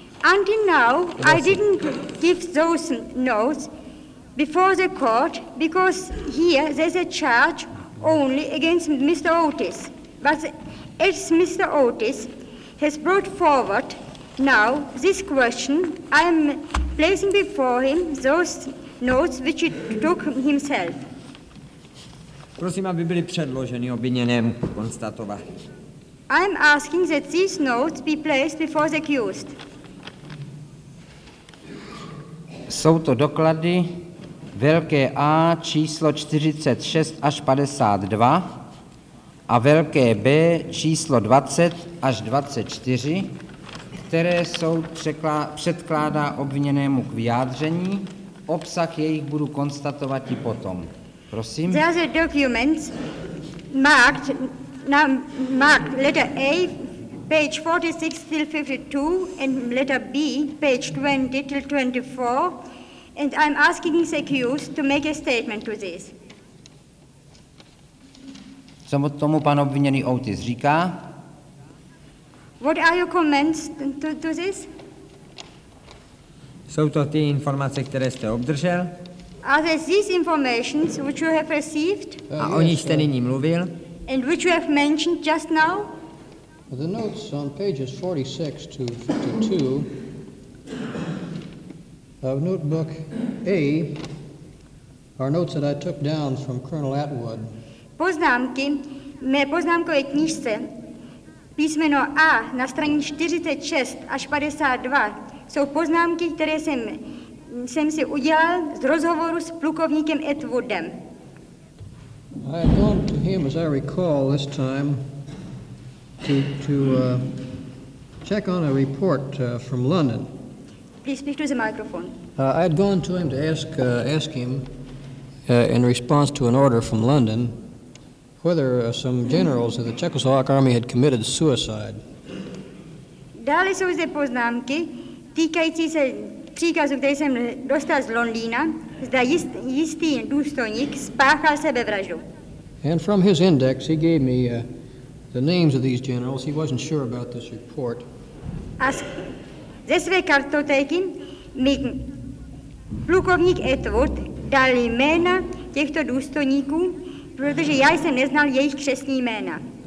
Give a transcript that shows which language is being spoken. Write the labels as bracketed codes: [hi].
[en] Until now, I didn't give those notes before the court because here there's a charge only against Mr. Otis. But as Mr. Otis has brought forward now this question, I am placing before him those notes which he took himself. [cs] Prosím, aby byly předloženy obviněnému, konstatoval. [en] I am asking that these notes be placed before the accused. [cs] Jsou to doklady velké A číslo 46 až 52 a velké B číslo 20 až 24, které soud předkládá obviněnému k vyjádření. Obsah jejich budu konstatovat i potom. Prosím. [en] There are documents marked, marked letter A, page 46 till 52, and letter B, page 20 till 24, and I'm asking the accused to make a statement to this. [cs] Co tomu pan obviněný Otis říká? [en] What are your comments to this? [cs] Jsou to ty informace, které jste obdržel? [en] Are there these informations which you have received? [cs] A o nich jste nyní mluvil? [en] And which you have mentioned just now? The notes on pages 46 to 52 of notebook A are notes that I took down from Colonel Atwood. [cs] Poznámky, mé poznámkové knížce, písmeno A na straně 46 až 52, jsou poznámky, které jsem si udělal z rozhovoru s plukovníkem Atwoodem. [en] I had gone to him, as I recall, this time to check on a report from London. Please speak to the microphone. I had gone to him to ask him in response to an order from London whether some generals of the Czechoslovak army had committed suicide. [cs] Dále jsou zde poznámky týkající se příkazu, který jsem dostal z Londýna, zda jistý důstojník spáchal sebevraždu. [en] And from his index, he gave me the names of these generals. He wasn't sure about this report. [cs] A ze své kartotéky mi plukovník Atwood dal jména těchto důstojníků, protože já jsem neznal jejich křestní jména.